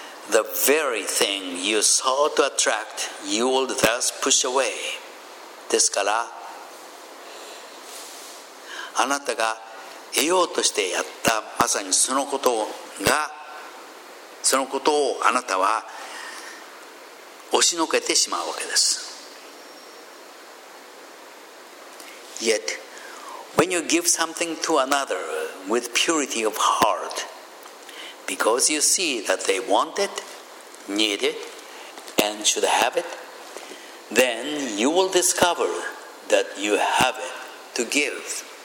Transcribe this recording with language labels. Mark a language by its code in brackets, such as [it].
[en] The very thing you sought to attract you will thus push away。 [ja] ですからあなたが得ようとしてやったまさにそのことが、そのことをあなたは押しのけてしまうわけです。 [en] Yet when you give something to another with purity of heart because you see that they want it, need it and should have it, then you will discover that you have it to give。